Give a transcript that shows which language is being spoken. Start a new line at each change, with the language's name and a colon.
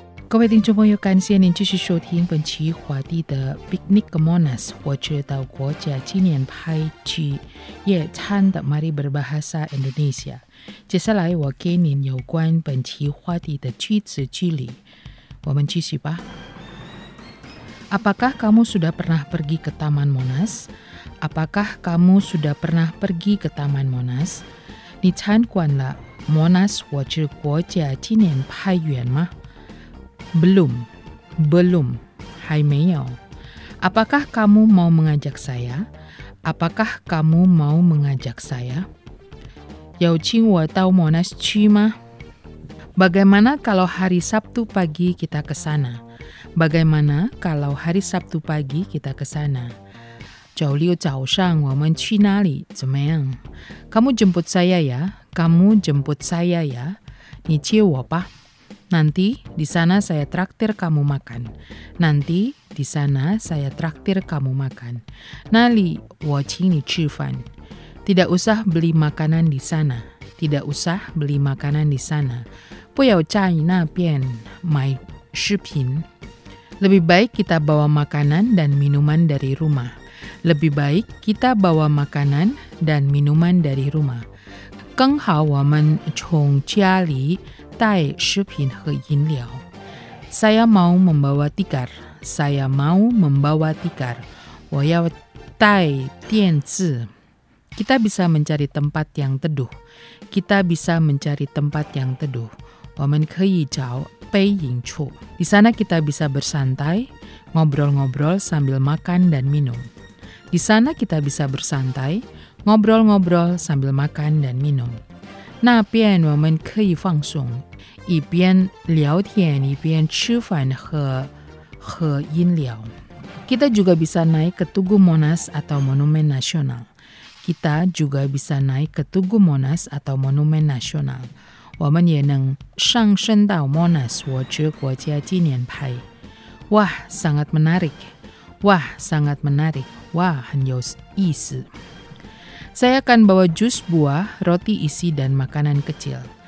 Chinese: 各位听众朋友，感谢您继续收听本期华地的 Picnic ke Monas， 或者到国家纪念派去野餐的 Mari Berbahasa Indonesia。接下来我给您有关本期华地的句子句理，我们继续吧。
Indonesian: Apakah kamu sudah pernah pergi ke Taman Monas？ Apakah kamu sudah pernah pergi ke Taman Monas？
Chinese: 你参观了 Monas 或者国家纪念派园吗？
Indonesian: Belum, belum,
Chinese: 还没有。
Indonesian: Apakah kamu mau mengajak saya? Apakah kamu mau mengajak saya?
Chinese: 邀请我到 Monas 去吗？
Indonesian: Bagaimana kalau hari Sabtu pagi kita ke sana? Bagaimana kalau hari Sabtu pagi kita ke sana?
Chinese: 周六早上我们去哪里？怎么样？
Indonesian: Kamu jemput saya ya? Kamu jemput saya ya?
Chinese: 你接我吧。
Indonesian: Nanti di sana saya traktir kamu makan. Nanti di sana saya traktir kamu makan. Nali,
Chinese: 我请你吃饭。
Indonesian: Tidak usah beli makanan di sana. Tidak usah beli makanan di sana.
Chinese: 不要在那边买食品。
Indonesian: Lebih baik kita bawa makanan dan minuman dari rumah. Lebih baik kita bawa makanan dan minuman dari rumah.
Chinese: 更好我们从家里带食品和饮料。
Indonesian: Saya mau membawa tikar. Saya mau membawa tikar.
Chinese: 我要带电子。
Indonesian: Kita bisa mencari tempat yang teduh. Kita bisa mencari tempat yang teduh.
Chinese: 我们可以找背影处。
Indonesian: Di sana kita bisa bersantai, ngobrol-ngobrol sambil makan dan minum. Di sana kita bisa bersantai, ngobrol-ngobrol sambil makan dan minum.
Chinese: 那边我们可以放松。一边聊天一边吃饭和喝饮料。
Indonesian: Kita juga bisa naik ke Tugu Monas atau Monumen Nasional. Kita juga bisa naik ke Tugu Monas atau Monumen Nasional.
Chinese: 我们也能上升到 Monas 我之国家纪念牌。
Indonesian: Wah, sangat menarik. Wah, sangat menarik. Wah,
Chinese: 很有意思。
Indonesian: Saya akan bawa jus buah, roti isi dan makanan kecil.